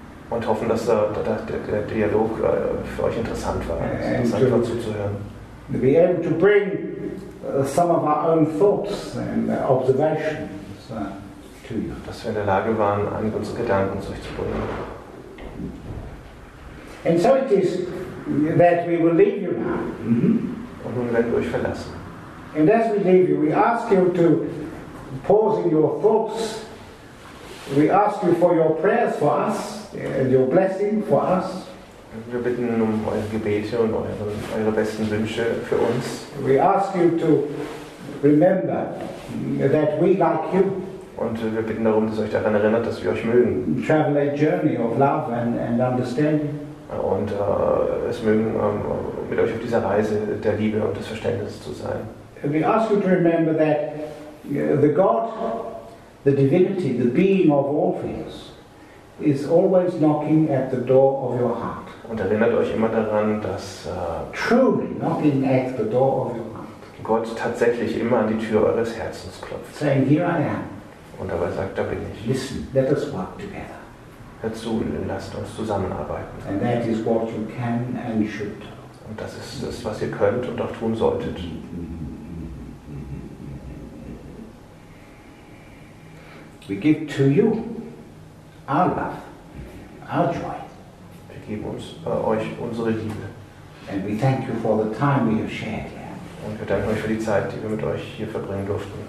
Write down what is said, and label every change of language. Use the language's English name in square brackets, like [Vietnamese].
[German] Und hoffen, dass der Dialog für euch interessant war, einfach zuzuhören. [English] To be able to bring some of our own thoughts and observations to you. [German] Dass wir in der Lage waren, einige unserer Gedanken zu euch zu bringen. [English] And so it is that we will leave you now. [German] Und nun werden wir euch verlassen. [English] And as we leave you, we ask you to pause in your thoughts. We ask you for your prayers for us. And your blessing for us. [German] Wir bitten um eure Gebete und eure besten Wünsche für uns. [English] We ask you to remember that we like you. [German] Und wir bitten darum, dass euch daran erinnert, dass wir euch mögen. [English] Travel a journey of love and understanding. [German] Und es mögen mit euch auf dieser Reise der Liebe und des Verständnisses zu sein. [English] We ask you to remember that the God, the divinity, the being of all things. Is always knocking at the door of your heart. [German] Und erinnert euch immer daran, dass [English] truly knocking at the door of your heart. [German] Gott tatsächlich immer an die Tür eures Herzens klopft. [English] Saying, here I am. [German] Und dabei sagt, da bin ich. [English] Listen, let us work together. [German] Hört zu, lasst uns zusammenarbeiten. [English] And that is what you can and should do. [German] Und das ist das, was ihr könnt und auch tun solltet. [English] We give to you. Our love, our joy. [German] Wir geben uns euch unsere Liebe. [English] And we thank you for the time we have shared here. [German] Und wir danken euch für die Zeit, die wir mit euch hier verbringen durften.